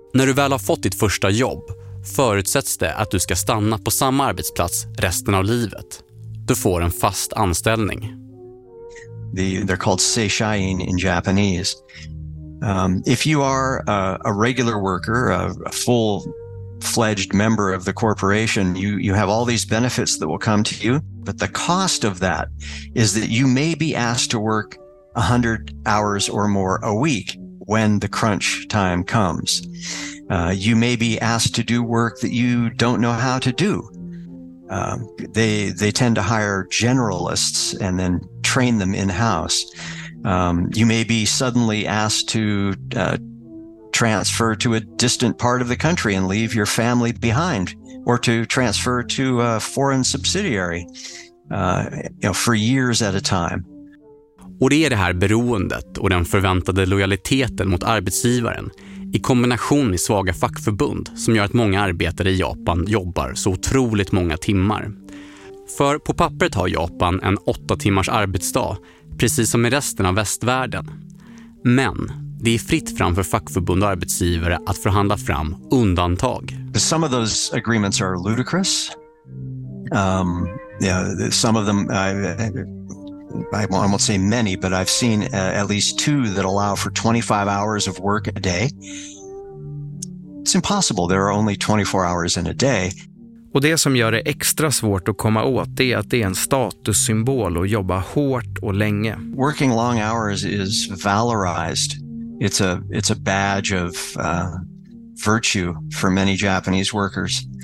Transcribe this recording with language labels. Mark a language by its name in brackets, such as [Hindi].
[Swedish] När du väl har fått ditt första jobb förutsätts det att du ska stanna på samma arbetsplats resten av livet. Du får en fast anställning. [English] They're called seishin in Japanese. If you are a regular worker, a full-fledged member of the corporation, you have all these benefits that will come to you, but the cost of that is that you may be asked to work 100 hours or more a week when the crunch time comes. You may be asked to do work that you don't know how to do. They tend to hire generalists and then train them in-house. You may be suddenly asked to transfer to a distant part of the country and leave your family behind, or to transfer to a foreign subsidiary for years at a time. [Swedish] Och det är det här beroendet och den förväntade lojaliteten mot arbetsgivaren i kombination med svaga fackförbund som gör att många arbetare i Japan jobbar så otroligt många timmar. För på pappret har Japan en 8-timmars arbetsdag, precis som i resten av västvärlden. Men det är fritt fram för fackförbund och arbetsgivare att förhandla fram undantag. [English] Some of those agreements are ludicrous. Some of them I won't say many, but I've seen at least two that allow for 25 hours of work a day. It's impossible. There are only 24 hours in a day. [Swedish] Och det som gör det extra svårt att komma åt är att det är en statussymbol att jobba hårt och länge. [English] Working long hours is valorized. It's a badge of virtue for many Japanese workers.